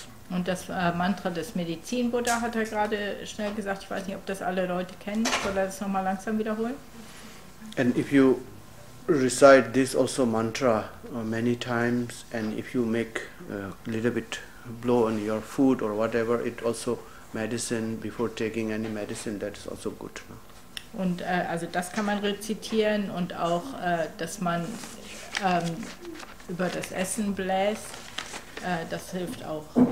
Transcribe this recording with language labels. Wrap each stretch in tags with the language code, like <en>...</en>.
<de>Und das Mantra des Medizin-Buddha hat er gerade schnell gesagt. Ich weiß nicht, ob das alle Leute kennen. Soll er das nochmal langsam wiederholen?</de> <en>And if you recite this also mantra many times, and if you make a little bit blow on your food or whatever, it also medicine, before taking any medicine, that is also good. No?</en> <de>Und also das kann man rezitieren und auch, dass man über das Essen bläst, das hilft auch.</de>